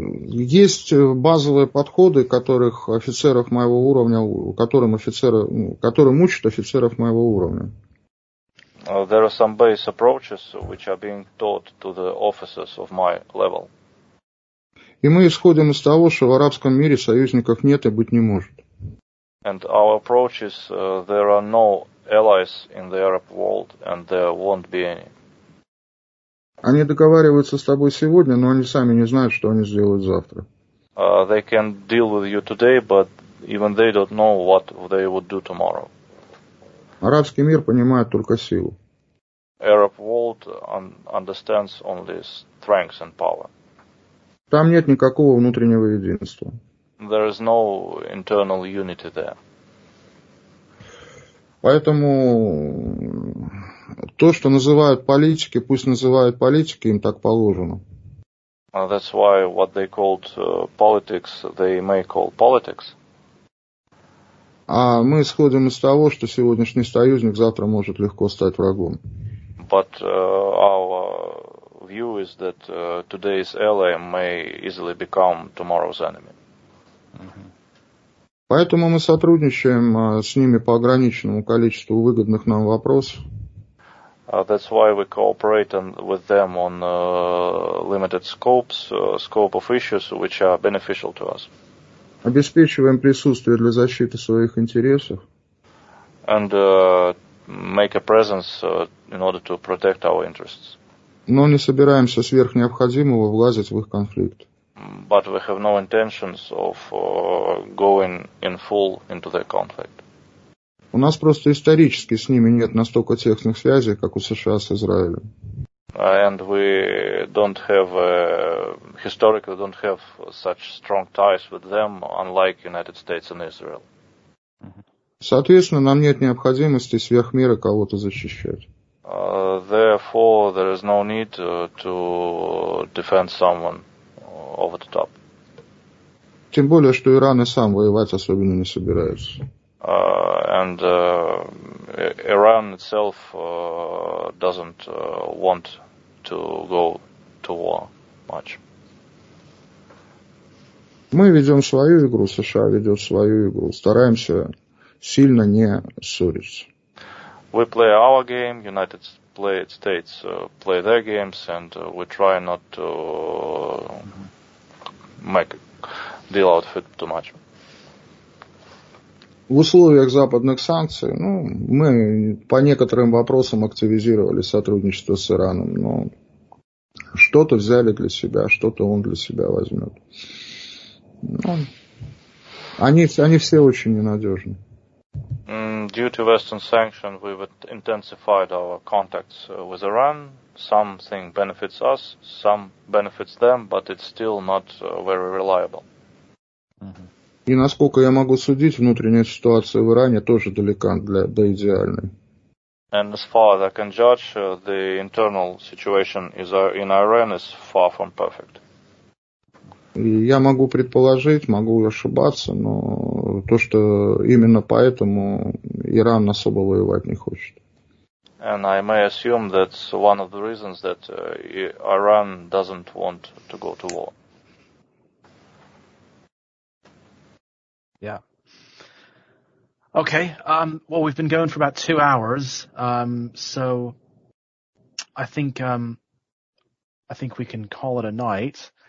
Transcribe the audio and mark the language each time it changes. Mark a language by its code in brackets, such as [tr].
[ru] Есть базовые подходы, которых офицеров моего уровня, которым учат офицеров моего уровня. [en] There are some base approaches which are being taught to the officers of my level. [ru] И мы исходим из того, что в арабском мире союзников нет и быть не может. [en] And our approach is there are no allies in the Arab world and there won't be any. [ru] Они договариваются с тобой сегодня, но они сами не знают, что они сделают завтра. [en] They can deal with you today, but even they don't know what they would do tomorrow. [ru] Арабский мир понимает только силу. [en] Arab world understands only strength and power. [ru] Там нет никакого внутреннего единства. [en] There is no internal unity there. [ru] Поэтому то, что называют политики, пусть называют политики, им так положено. [en] That's why what they called politics, they may call politics. [ru] А мы исходим из того, что сегодняшний союзник завтра может легко стать врагом. [en] But our view is that today's ally may easily become tomorrow's enemy. [ru] Поэтому мы сотрудничаем с ними по ограниченному количеству выгодных нам вопросов. [en] That's why we cooperate with them on limited scopes, scope of issues which are beneficial to us. [ru] Обеспечиваем присутствие для защиты своих интересов. [en] And make a presence in order to protect our interests. [ru] Но не собираемся сверх необходимого влазить в их конфликт. [en] But we have no intentions of going in full into the conflict. [ru] У нас просто исторически с ними нет настолько тесных связей, как у США с Израилем. [en] And we don't have historically don't have such strong ties with them, unlike United States and Israel. [ru] Соответственно, нам нет необходимости сверх меры кого-то защищать. [en] Therefore, there is no need to defend someone over the top. [ru] Тем более, что Иран и сам воевать особенно не собирается. [en] Iran itself doesn't want to go to war much. [ru] Мы ведем свою игру, США ведет свою игру. Стараемся сильно не ссориться. [en] We play our game, United States play their games, and we try not to deal out of it too much. [ru] в условиях западных санкций, ну, мы по некоторым вопросам активизировали сотрудничество с Ираном, но что-то взяли для себя, что-то он для себя возьмет. Ну, они все очень ненадежны. [en] Due to Western sanctions, we've intensified our contacts with Iran. Something benefits us, some benefits them, but it's still not very reliable. И насколько я могу судить, внутренняя ситуация в Иране тоже далека до идеальной. And as far as I can judge, the internal situation in Iran is far from perfect. И я могу предположить, могу ошибаться, но то, что именно поэтому Иран особо воевать не хочет. And I may assume that's one of the reasons that Iran doesn't want to go to war. Yeah. Okay. Well, we've been going for about 2 hours. So I think we can call it a night.